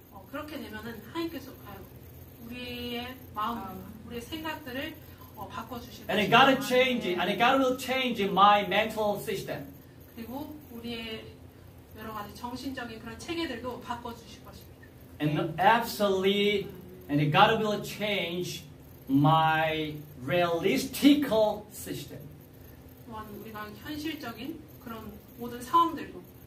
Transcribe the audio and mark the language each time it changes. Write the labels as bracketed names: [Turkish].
[Korean] 그렇게 되면은 하나님께서 우리의 마음, 우리의 생각들을 바꿔 주실 것입니다. [English] And God change and God will change my mental system. [Korean] 그리고 우리의 여러 가지 정신적인 그런 체계들도 바꿔 주실 것입니다. [English] And absolutely and God will change my realistic system. [Korean] 또한 우리가 현실적인 그런 모든 상황들도